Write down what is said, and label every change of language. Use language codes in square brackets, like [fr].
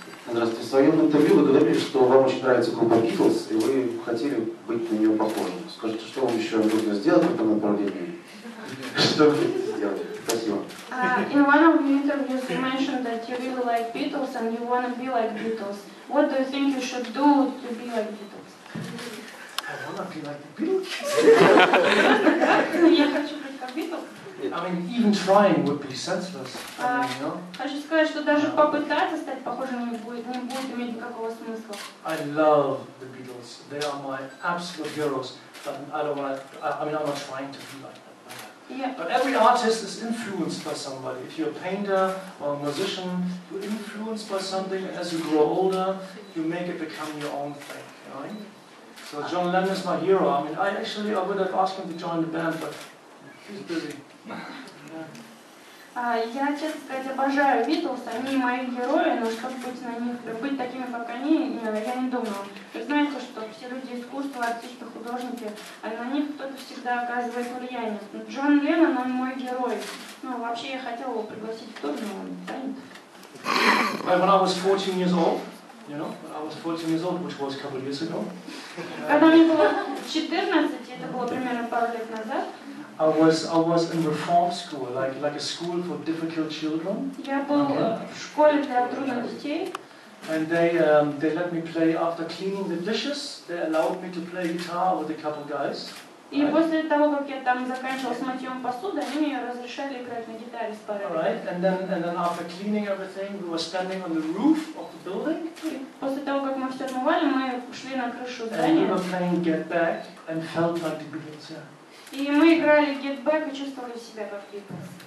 [ru] Здравствуйте. В своем интервью вы говорили, что вам очень нравится группа Beatles, и вы хотели быть на нее похожим. Скажите, что вам еще нужно сделать в этом направлении? Что вы хотите сделать? Спасибо. [en] In one of the interviews you mentioned that you really like Beatles and you want to be like Beatles. What do you think you should do to be like Beatles? I want to be like Beatles. I mean, even trying would be senseless. [ru] Хочу сказать, что даже попытаться стать похожим не будет иметь никакого смысла. [en] I love the Beatles. They are my absolute heroes. I'm not trying to be like them. Yeah. But every artist is influenced by somebody. If you're a painter or a musician, you're influenced by something. As you grow older, you make it become your own thing. Right? So John Lennon is my hero. I mean, I would have asked him to join the band, but he's busy. [ru] Я, честно сказать, обожаю Beatles, они мои герои, но чтобы быть на них, быть такими, как они, я не думала. Вы знаете, что все люди искусства, артисты, художники, а на них кто-то всегда оказывает влияние. Джон Леннон, он мой герой. Ну, вообще, я хотела его пригласить в тур, но он не занят. [en] When I was 14 years old, you know, when I was 14 years old, which was a couple of years ago. [ru] Когда мне было 14, это было примерно пару лет назад, [en] I was in reform school, like a school for difficult children. [ru] Я был в школе для трудных детей. [en] And they let me play after cleaning the dishes. They allowed me to play guitar with a couple guys. [ru] И после того, как я там закончил с мытьем посуды, они мне разрешали играть на гитаре с парой. [en] All right, and then after cleaning everything, we were standing on the roof of the building. [ru] После того, как мы все отмывали, мы шли на крышу здания. [en] And we were playing Get Back and felt like the Beatles. Yeah. [ru] И мы играли Get Back и чувствовали себя как Beatles.